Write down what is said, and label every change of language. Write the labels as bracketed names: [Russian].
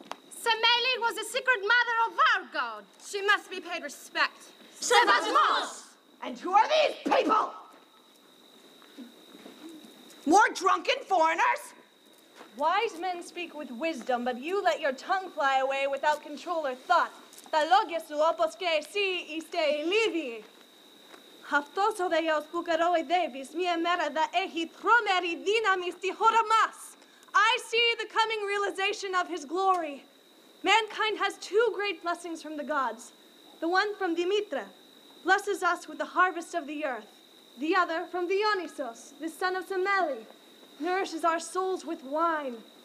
[English] Semele was the secret mother of our god. She must be paid respect. Sebastmos! And who are these people? More drunken foreigners? Wise men speak with wisdom, but you let your tongue fly away without control or thought. [Greek] Τα λόγια σου όπως και εσύ είστε ηλίδιοι. Αυτός ο δεός που κοροϊδεύεις μία μέρα θα έχει τρομερή δύναμη στη χώρα μας. [English] I see the coming realization of his glory. Mankind has two great blessings from the gods. The one from Dimitra blesses us with the harvest of the earth. The other from Dionysos, the son of Semele, nourishes our souls with wine.